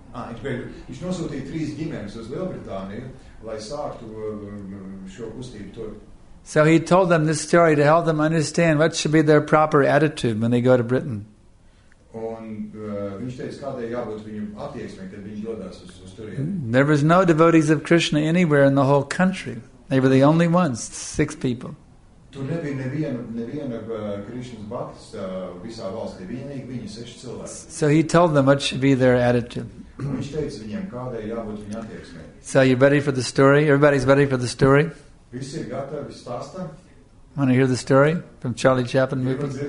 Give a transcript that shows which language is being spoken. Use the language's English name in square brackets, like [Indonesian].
[Latvian] Viņš nosūtīja trīs ģimenes uz Lielbritāniju, lai sāktu šo kustību tur. [English] So he told them this story to help them understand what should be their proper attitude when they go to Britain. [Latvian] Un viņš teica, kādēļ jābūt viņu attieksmei, kad viņi dodas uz turieni. [English] There was no devotees of Krishna anywhere in the whole country. They were the only ones, six people. [Latvian] Tur nebija neviena Krishna's Bhaktas visā valstī, vienīgi viņi seši cilvēki. [English] So he told them what should be their attitude. [Latvian] Viņš teica viņiem, kādai jābūt viņa attieksmē. [English] So you're ready for the story? Everybody's ready for the story? [Latvian] Visi ir gatavi stāstam? [English] Want to hear the story from Charlie Chaplin movie?